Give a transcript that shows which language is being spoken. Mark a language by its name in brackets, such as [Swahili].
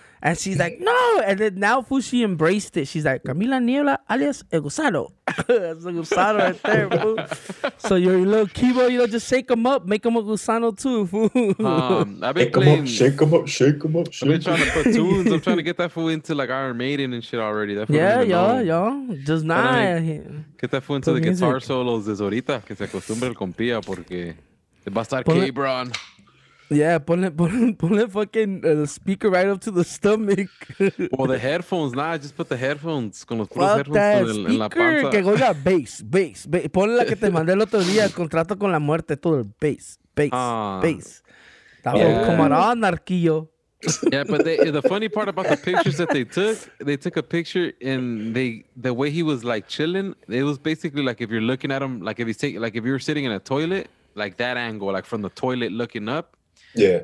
[English] And she's like, no. And then now, fool, she embraced it. She's like, Camila Niebla alias El Gusano. That's the gusano right there, fool. So your little Kibo, you know, just shake him up. Make him a gusano too, fool. Shake him up. I've been trying to put tunes. I'm trying to get that fool into like Iron Maiden and shit already. That fool, yeah, y'all, y'all. Just not. Get that fool into the music. Guitar solos de Zorita. [Spanish] Que se acostumbre el compía porque va a estar Cabron. [English] Yeah, pull it fucking the speaker right up to the stomach. Well, the headphones, nah, just put the headphones. [Spanish] Con los puros [English] headphones [Spanish] en la panza. Que oiga bass. Pon la que te mandé el otro día, contrato con la muerte, todo el bass. [English] That will come on, Narquillo. Yeah, but the funny part about the pictures that they took a picture and the way he was like chilling, it was basically like if you're looking at him, like if he's taking, like if you were sitting in a toilet, like that angle, like from the toilet looking up. Yeah.